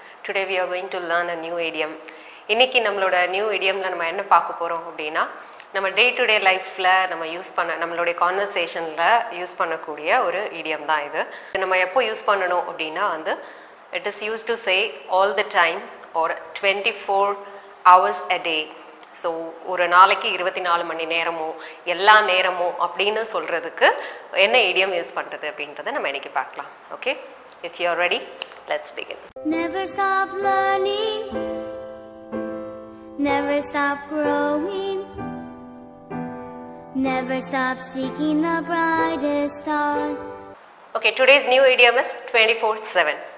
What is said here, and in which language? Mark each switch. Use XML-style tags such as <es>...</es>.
<en>Today we are going to learn a new idiom.</en> <ta>இன்னைக்கு நம்மளோட new இடியம்ல நம்ம என்ன பார்க்க போகிறோம் அப்படின்னா, நம்ம டே டு டே லைஃப்பில் நம்ம யூஸ் பண்ண நம்மளுடைய கான்வர்சேஷனில் யூஸ் பண்ணக்கூடிய ஒரு இடியம் தான் இது. இது நம்ம எப்போ யூஸ் பண்ணணும் அப்படின்னா வந்து,</ta> <en>It is use to say all the time or 24 hours a day.</en> <ta>So ஒரு நாளைக்கு 24 மணி நேரமோ எல்லா நேரமோ அப்படின்னு சொல்கிறதுக்கு என்ன இடியம் யூஸ் பண்ணுறது அப்படின்றத நம்ம இன்னைக்கு பார்க்கலாம்.</ta> <en>Okay, if you are ready, let's begin. Never stop learning, never stop growing, never stop seeking the brightest star. Okay, today's new idiom is 24/7.</en>